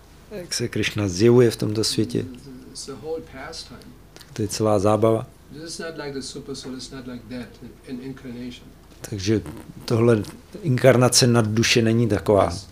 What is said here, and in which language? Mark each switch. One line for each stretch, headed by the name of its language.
Czech: Jak se Krishna zjevuje v tomto světě.
English: It's a whole pastime.
Czech: To je celá zábava.
English: This is not like the super soul, it's not like that in incarnation.
Czech: Takže tohle inkarnace nad duše není taková.